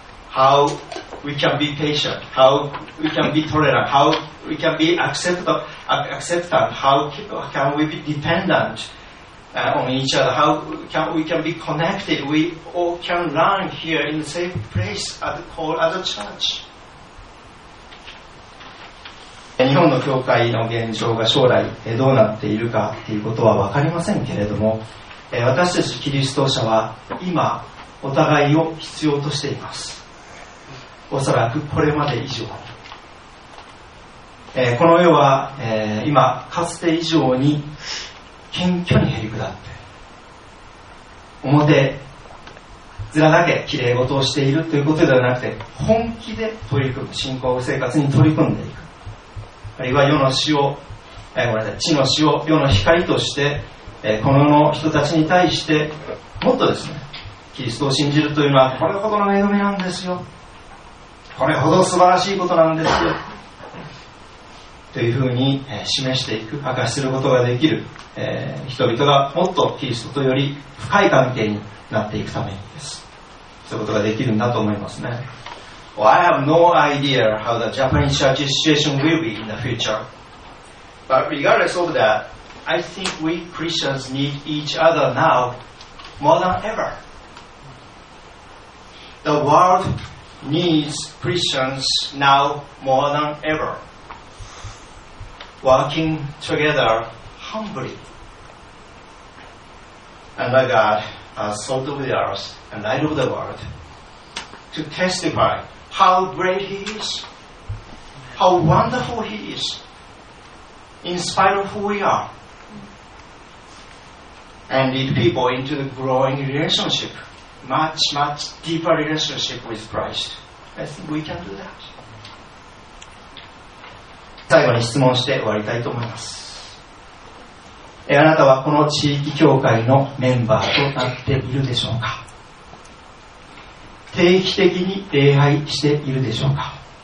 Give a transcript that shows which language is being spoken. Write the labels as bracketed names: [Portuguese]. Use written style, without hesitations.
[English] How we can be patient, how we can be tolerant, how we can be acceptant, how can we be dependent, on each other, how can we can be connected. We all can learn here in the same place at the call as a church. [Japanese] 日本の教会の現状が将来どうなっているかということは分かりませんけれども、私たちキリスト者は今お互いを必要としています。おそらくこれまで以上、この世は今かつて以上に謙虚に減り下って、表面だけ綺麗事をしているということではなくて、本気で取り組む信仰生活に取り組んでいく、あるいは世の死を、ごめんなさい、地の死を世の光として、この世の人たちに対してもっとですね、キリストを信じるというのはこれほどの恵みなんですよ、これほど素晴らしいことなんですよというふうに示していく、明かしすることができる、人々がもっとキリストとより深い関係になっていくためにです、そういうことができるんだと思いますね。 [English] Well, I have no idea how the Japanese church situation will be in the future. But regardless of that, I think we Christians need each other now more than ever. The world needs Christians now more than ever. Working together humbly. And I God, as salt of the earth and light of the world, to testify how great He is, how wonderful He is, in spite of who we are, and lead people into a growing relationship, much, much deeper relationship with Christ. I think we can do that. [Japanese] 最後に質問して終わりたいと思います。あなたはこの地域教会のメンバーとなっているでしょうか。定期的に礼拝しているでしょうか。